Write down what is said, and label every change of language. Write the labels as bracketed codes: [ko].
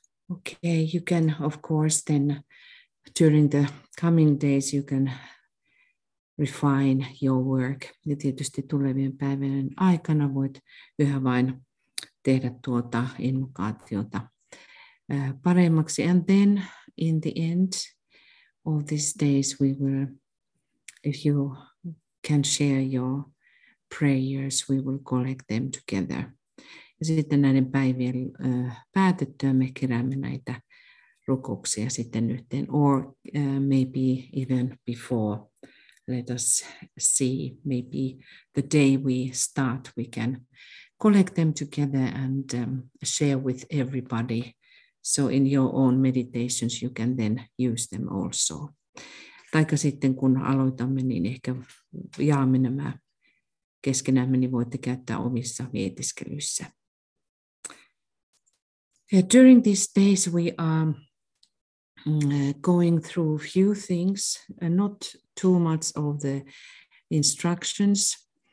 [en] Okay, you can, of course, then during the coming days, you can refine your work. [fi] Ja tietysti tulevien päivien aikana voit yhä vain tehdä tuota invokaatiota paremmaksi. [en] And then in the end of these days, we will, if you can share your prayers, we will collect them together. [fi] Ja sitten näiden päivien päätettyä me keräämme näitä rukouksia sitten yhteen, [en] or maybe even before, let us see, maybe the day we start, we can collect them together and share with everybody So in your own meditations you can then use them also. [fi] Taikka sitten kun aloitamme, niin ehkä jaamme nämä keskenämme, niin voitte käyttää omissa mietiskelyissä. [en] During these days we are going through a few things, not too much of the instructions.